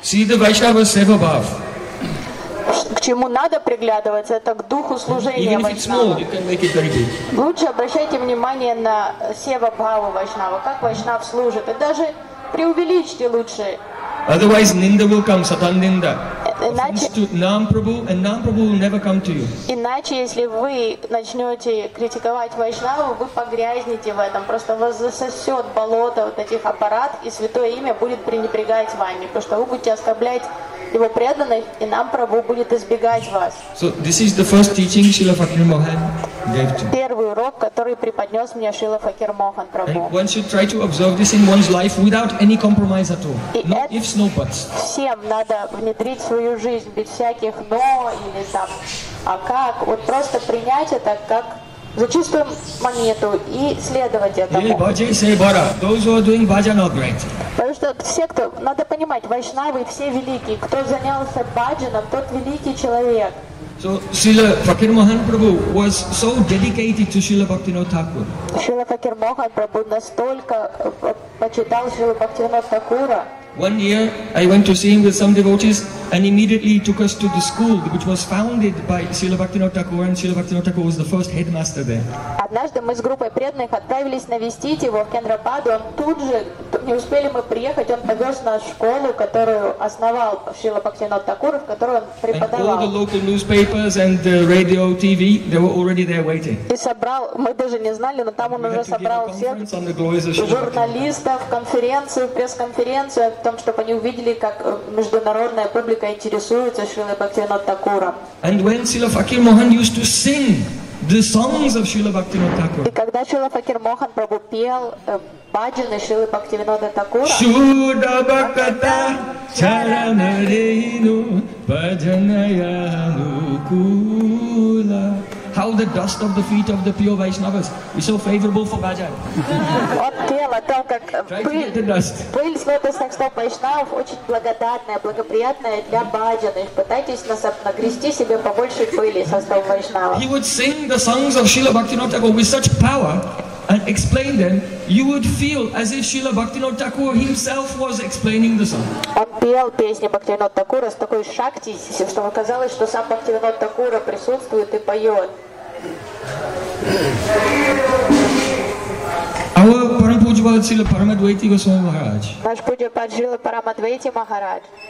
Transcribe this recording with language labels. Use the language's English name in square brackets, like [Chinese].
[English] See the Vaishnava Seva Bhav. [Russian] к чему надо приглядываться, это к духу служения вайшнава. Лучше обращайте внимание на сева бхаву вайшнава, как вайшнав служит. И даже преувеличьте лучше. [English] Otherwise, Ninda will come, Satan Ninda. Offense to Nam Prabhu, and Nam Prabhu will never come to you. [Russian] Иначе, если вы начнете критиковать вайшнаву, вы погрязнете в этом. Просто вас засосет болото вот этих аппарат, и святое имя будет пренебрегать вами, потому что вы будете оскорблять его преданных, и Нам Прабху будет избегать вас. [English] So this is the first teaching Srila Fakir Mohan gave to you. [Russian] Первый урок, который преподнес мне Шрила Факир Мохан Прабху. [English] And one should try to observe this in one's life without any compromise at all. Ifs, no buts. [Russian] Всем надо внедрить свою жизнь без всяких но или там, а как, вот просто принять это как за чистую монету и следовать этому. [English] Bhaji, say bara. Those who are doing bhajan are great. [Russian] Потому что все, кто, надо понимать, вайшнавы все великие, кто занялся бхаджаном, тот великий человек. [English] So Srila Fakir Mohan Prabhu was so dedicated to Srila Bhaktivinoda Thakur. [Russian] Srila Fakir Mohan Prabhu настолько почитал Srila Bhaktivinoda Thakura. [English] One year I went to see him with some devotees and immediately took us to the school which was founded by Srila Bhaktivinoda Thakur, and Srila Bhaktivinoda Thakur was the first headmaster there. [Russian] Однажды мы с группой преданных отправились навестить его в Кендрападу. Он тут же, не успели мы приехать, он повез нас в школу, которую основал Шрила Бхактивинода Такура, в которой он преподавал. [English] And all the local newspapers and the radio, TV, they were already there waiting. [Russian] И собрал, мы даже не знали, но там он уже собрал всех журналистов, конференцию, пресс-конференцию, о том, чтобы они увидели, как международная публика интересуется Шрилой Бхактивинода Такура. And when Srila Fakir Mohan used to sing the songs of Srila Bhaktivinoda Thakur. И когда Шрила Факир Мохан Прабху пел баджаны Шрилы Бхактивинода Такура. [Bangla] Шуда бхаката чаранарейну баджаная нукула. [English] How the dust of the feet of the pure Vaishnavas is so favorable for bhajan. [Russian] Вот тело, то, как пыль с лотосных стоп вайшнавов очень благодатная, благоприятная для бхаджана. Пытайтесь нагрести себе побольше пыли со стоп вайшнавов. [English] He would sing the songs of Srila Bhaktivinoda Thakur with such power and explain them, you would feel as if Srila Bhaktivinoda Thakur himself was explaining the song. [Russian] Он пел песни Бхактивинода Такура с такой шакти, что казалось, что сам Бхактивинода Такура присутствует и поет. [English] Our Parampujapad Srila Paramadvaiti Goswami Maharaj. [Russian] Наш Пуджапад Шрила Парамадвайти Махарадж.